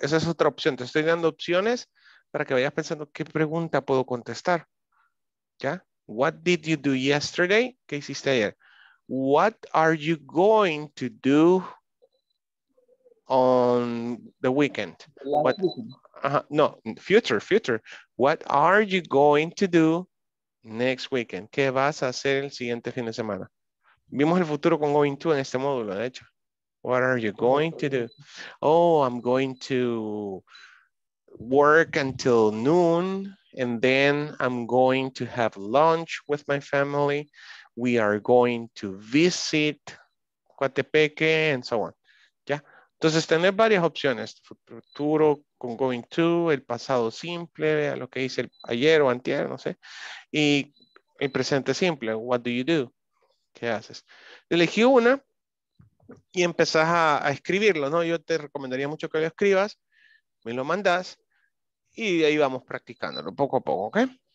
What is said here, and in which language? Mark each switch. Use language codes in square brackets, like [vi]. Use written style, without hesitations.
[es] Esa es otra opción. Te estoy dando opciones para que vayas pensando qué pregunta puedo contestar. [en] ¿Ya? What did you do yesterday? [es] ¿Qué hiciste ayer? [en] What are you going to do on the weekend? What, no, future. What are you going to do next weekend? [es] ¿Qué vas a hacer el siguiente fin de semana? Vimos el futuro con going to en este módulo, de hecho. [en] What are you going to do? Oh, I'm going to work until noon, and then I'm going to have lunch with my family. We are going to visit Coatepeque, and so on. [es] Entonces, tener varias opciones. Futuro con going to, el pasado simple, lo que hice ayer o antier, no sé. Y el presente simple, [en] what do you do? [es] ¿Qué haces? Elegí una y empezás a escribirlo, ¿no? Yo te recomendaría mucho que lo escribas, me lo mandas y de ahí vamos practicándolo poco a poco, ¿ok?